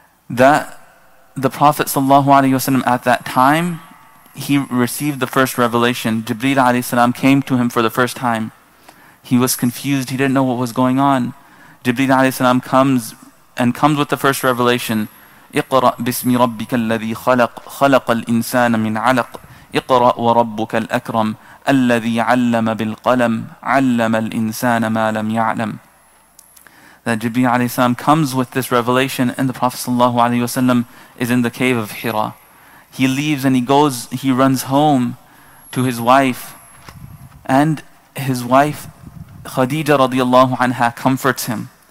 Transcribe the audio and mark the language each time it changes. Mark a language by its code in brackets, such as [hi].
[en] That the Prophet ﷺ at that time, he received the first revelation. Jibreel alayhi salam came to him for the first time. He was confused. He didn't know what was going on. Jibreel alayhi salam comes with the first revelation. [ar] اقرأ بسم ربك الذي خلق خلق الإنسان من علق اقرأ وربك الأكرم الذي علم بالقلم علم الإنسان ما لم يعلم. [en] That Jibreel alayhi salam comes with this revelation, and the Prophet sallallahu alayhi wasallam is in the cave of Hira. He leaves and he runs home to his wife, and his wife Khadija radiallahu anha comforts him.